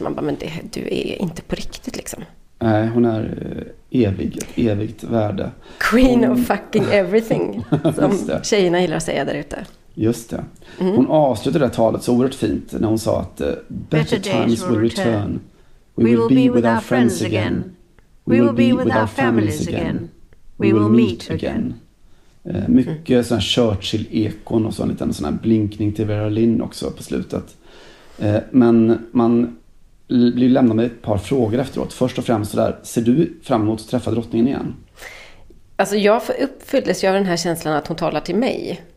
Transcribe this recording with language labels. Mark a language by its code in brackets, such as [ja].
[sv] Man bara, men det, du är inte på riktigt liksom. Nej, hon är evigt värde. [en] Queen of fucking everything, [sv] som tjejerna gillar att säga där ute. Just det. Mm. Hon avslutade det här talet så oerhört fint när hon sa att [en] better times will return. We will be with our friends again. We will be with our families again. We will meet again. [sv] Mycket sån här Churchill-ekon och sån liten sån här blinkning till Vera Lynn också på slutet. Men man blir lämnad med ett par frågor efteråt. Först och främst så där, ser du fram emot att träffa drottningen igen? Alltså jag uppfylldes ju av den här känslan att hon talar till mig.